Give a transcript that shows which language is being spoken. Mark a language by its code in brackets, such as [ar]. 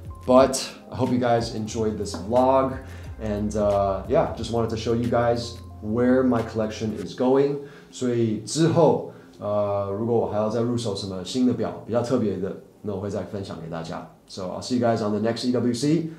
[en] But I hope you guys enjoyed this vlog, and yeah, just wanted to show you guys where my collection is going. [zh] 所以之后，如果我还要再入手什么新的表，比较特别的，那我会再分享给大家。 [en] So I'll see you guys on the next EWC.